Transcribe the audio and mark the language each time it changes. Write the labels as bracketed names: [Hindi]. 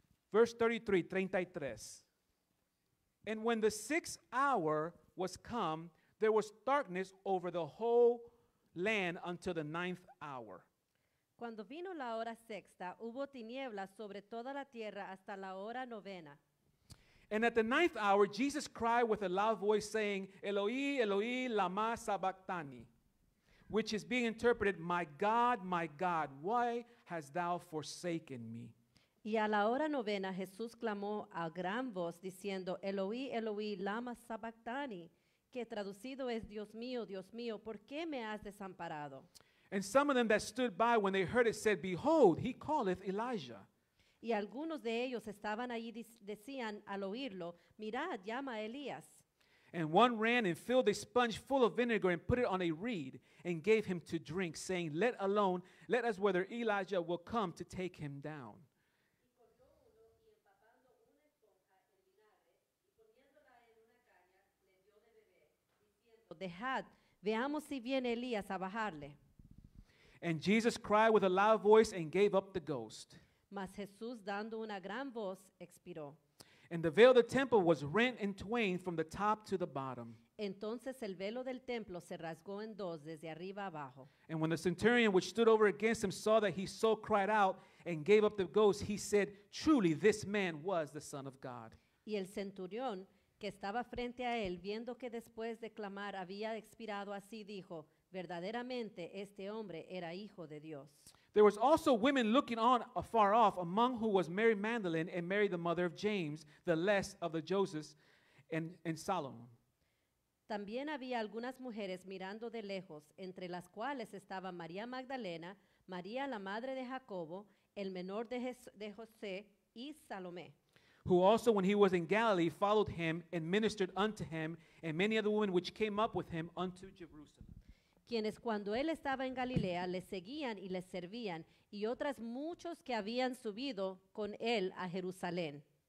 [English] Verse 33, 33. And when the sixth hour was come, there was darkness over the whole land until the ninth hour. [Spanish] Cuando vino la hora sexta, hubo tinieblas sobre toda la tierra hasta la hora novena. [English] And at the ninth hour, Jesus cried with a loud voice, saying, Eloi, Eloi, lama sabachthani, which is being interpreted, my God, why hast thou forsaken me? [Spanish] Y a la hora novena, Jesús clamó a gran voz, diciendo, Eloí, Eloí, lama sabactani, que traducido es, Dios mío, ¿por qué me has desamparado? [English] And some of them that stood by when they heard it said, Behold, he calleth Elijah. [Spanish] Y algunos de ellos estaban allí, decían al oírlo, Mirad, llama a Elías. [English] And one ran and filled a sponge full of vinegar and put it on a reed and gave him to drink, saying, "Let alone, let us whether Elijah will come to take him down." [Spanish] Dejad, veamos si viene Elías a bajarle. [English] And Jesus cried with a loud voice and gave up the ghost. [Spanish] Mas Jesús, dando una gran voz, expiró. [English] And the veil of the temple was rent in twain from the top to the bottom. [Spanish] Entonces el velo del templo se rasgó en dos desde arriba abajo. [English] And when the centurion which stood over against him saw that he so cried out and gave up the ghost, he said, "Truly this man was the Son of God." [Spanish] Y el centurión que estaba frente a él, viendo que después de clamar había expirado así, dijo, "Verdaderamente este hombre era hijo de Dios." [English] There was also women looking on afar off, among whom was Mary Magdalene and Mary the mother of James, the less of the Joseph and Salomon. [Spanish] También había algunas mujeres mirando de lejos, entre las cuales estaba María Magdalena, María la madre de Jacobo, el menor de José y Salomé. [English] Who also when he was in Galilee followed him and ministered unto him, and many other women which came up with him unto Jerusalem. [Spanish] Quienes cuando él estaba en Galilea le seguían y le servían, y otras muchos que habían subido con él a Jerusalén.